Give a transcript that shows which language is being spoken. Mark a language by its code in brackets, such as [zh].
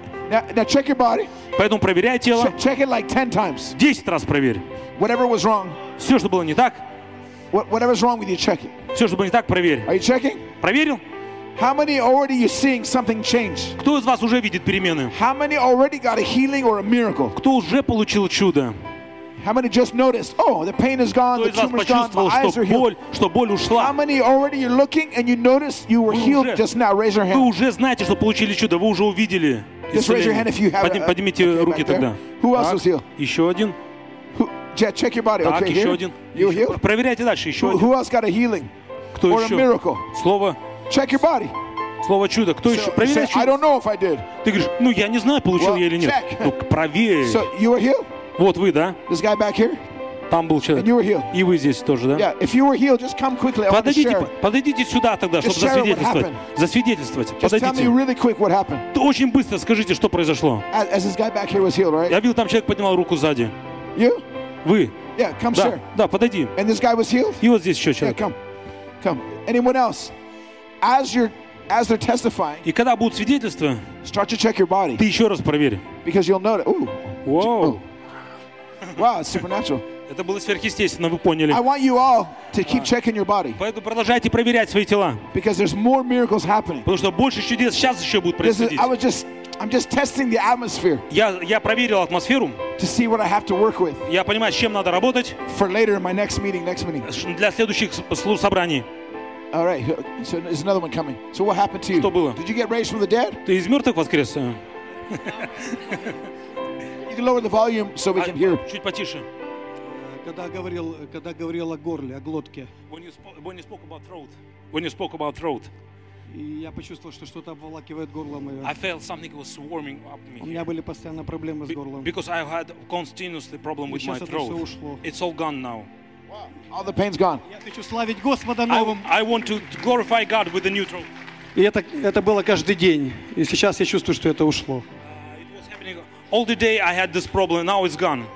[en] Now check your body. [ru] Поэтому проверяй тело. [en] Check it like 10 times. [ru] 10 раз проверь. [en] Whatever was wrong. [ru] Все, что было не так. [en] Whatever's wrong with you, check it. [ru] Все, что было не так, проверь. [en] Are you checking? [ru] Проверил? [en] How many already you seeing something change? [ru] Кто из вас уже видит перемены? [en] How many already got a healing or a miracle? [ru] Кто уже получил чудо? [en] How many just noticed? Oh, the pain is gone, the tumor is gone, my eyes are healed. [ru] Что боль ушла? [en] How many already you're looking and you notice you were healed just now? Raise your hand. [ru] Вы уже знаете, что получили чудо. Вы уже увидели. [en] Just raise your hand if you have. [ru] Поднимите руки тогда. [en] Who else was healed? [ru] Еще один. [en] Yeah, check your body. Okay, [ru] еще один. [en] You healed. [ru] Проверяйте дальше. Еще один. [en] Who else got a healing? [ru] Кто еще? [en] Or a miracle? [ru] Слово. [en] Check your body. [ru] Слово чудо. Кто еще? Проверяй чудо. [en] I don't know if I did. [ru] Ты говоришь, ну я не знаю, получил я или нет. [en] Check. [ru] Ну проверь. [en] So you were healed? [ru] Вот вы, да? [en] This guy back here? [ru] Там был человек. [en] And you were healed. [ru] И вы здесь тоже, да? [en] Yeah, if you were healed, just come quickly. [ru] Подойдите сюда тогда, чтобы засвидетельствовать. Засвидетельствовать. [en] Just [ru] подойдите. [en] Tell me really quick what happened. [ru] Очень быстро скажите, что произошло. [en] As this guy back here was healed, right? [ru] Я видел, там человек поднимал руку сзади. [en] You? [ru] Вы. [en] Yeah, come [ru] да. [en] Share. [ru] Да, подойди. [en] And this guy was healed? [ru] И вот здесь еще человек. [en] Yeah, come. Anyone else? As they're testifying. [ru] И когда будут свидетельства, [en] start to check your body. [ru] Ты еще раз проверь. [en] Because you'll notice. Ooh. Whoa. Ooh. Wow, it's supernatural. [ru] Это было сверхъестественно, вы поняли. [en] I want you all to keep checking your body. [ru] Поэтому продолжайте проверять свои тела. [en] Because there's more miracles happening. [ru] Потому что больше чудес сейчас еще будет происходить. [en] I'm just testing the atmosphere. [ru] Я проверил атмосферу. [en] To see what I have to work with. [ru] Я понимаю, с чем надо работать. [en] For later in my next meeting. [ru] Для следующих собраний. [en] All right, so there's another one coming. So what happened to you? [ru] Что было? [en] Did you get raised from the dead? [ru] Ты из мертвых воскрес? [en] You can lower the volume so we can hear. [ru] Чуть потише. Когда говорил о горле, о глотке. [en] When you spoke about throat. [ru] И я почувствовал, что что-то обволакивает горло мое. [en] I felt something was swarming up me. [ru] У меня были постоянно проблемы с горлом. [en] Because I had continuously problem with my throat. [ru] Сейчас это все ушло. [en] It's all gone now. All the pain's gone. [ru] Я хочу славить Господа новым. [en] I want to glorify God with a new throat. [ru] И это было каждый день, и сейчас я чувствую, что это ушло. [en] All the day I had this problem, and now it's gone.